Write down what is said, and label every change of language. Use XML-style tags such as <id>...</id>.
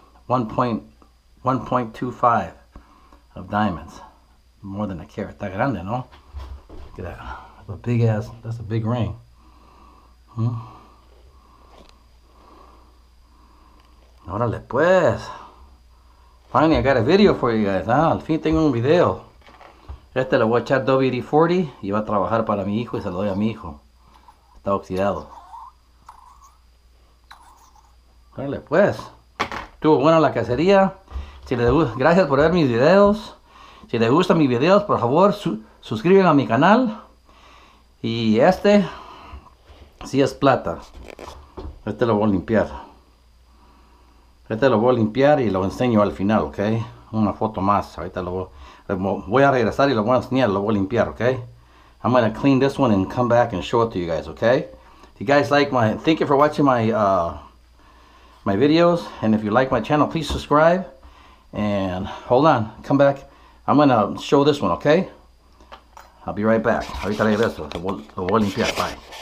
<en>1.25 of diamonds. More than a carat.</en> <es>Está grande, no?</es> <en>Look at that. That's a big ass. That's a big ring.</en> <es>Hmm? Órale, pues.</es> <en>Finally, I got a video for you guys.</en> <es>Ah, al fin tengo un video. Este lo voy a echar WD-40 y va a trabajar para mi hijo y se lo doy a mi hijo. Está oxidado. Órale, pues. Estuvo buena la cacería. Si les gusta, gracias por ver mis videos. Si les gustan mis videos, por favor, suscríbanse a mi canal. Y este, si es plata. Este lo voy a limpiar. Este lo voy a limpiar y lo enseño al final, ¿ok? Una foto más. Ahorita lo voy a regresar y lo voy a enseñar. Lo voy a limpiar, ¿ok?</es> <en>I'm going to clean this one and come back and show it to you guys, ¿ok? If you guys like my, thank you for watching my, my videos, and if you like my channel, please subscribe. And hold on, come back. I'm gonna show this one, okay? I'll be right back.</en> <es>Ahorita regreso. Lo voy a limpiar.</es> <en>Bye.</en>